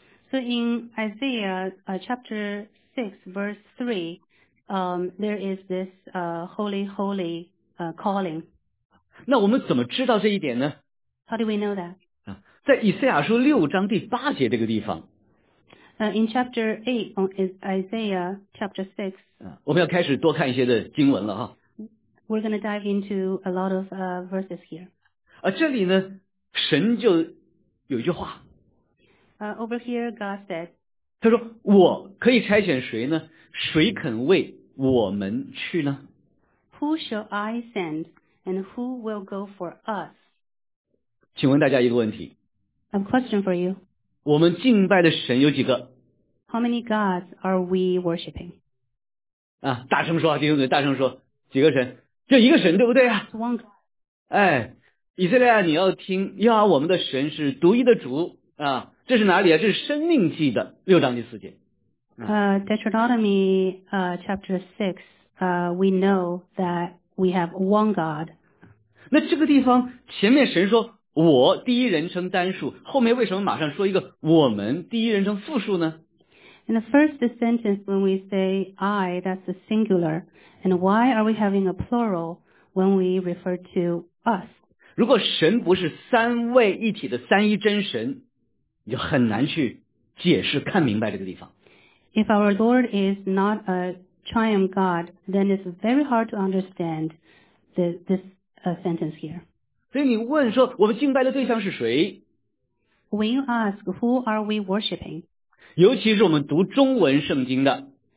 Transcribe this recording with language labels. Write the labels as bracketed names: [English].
[English] So in Isaiah chapter 6 verse 3, there is this holy calling. [Chinese] 那我们怎么知道这一点呢？ [English] How do we know that? [Chinese] 在以赛亚书六章第八节这个地方。 [English] In chapter 8, on Isaiah chapter 6, [Chinese] 我们要开始多看一些的经文了哈。 [English] We're going to dive into a lot of verses here. [Chinese] 这里呢神就有一句话。 [English] Over here, God said, [Chinese] 他说我可以差遣谁呢？谁肯为我们去呢？ [English] Who shall I send and who will go for us? [Chinese] 请问大家一个问题。 [English] A question for you. [Chinese] 我们敬拜的神有几个？ [English] How many gods are we worshipping? [Chinese] 大声说，弟兄们，大声说，几个神？就一个神，对不对啊？ [English] One God. [Chinese] 哎，以色列啊，你要听，耶和华我们的神是独一的主啊。这是哪里啊？这是生命记的六章第四节。 [English] Deuteronomy chapter 6, we know that we have one God. [Chinese] 那这个地方前面神说我第一人称单数，后面为什么马上说一个我们第一人称复数呢？ [English] In the first sentence when we say I, that's a singular. And why are we having a plural when we refer to us? [Chinese] 如果神不是三位一体的三一真神，你就很难去解释看明白这个地方。 [English] If our Lord is not a triune God, then it's very hard to understand this sentence here. [Chinese] 所以你问说我们敬拜的对象是谁？ [English] When you ask who are we worshipping? [Chinese] 尤其是我们读中文圣经的。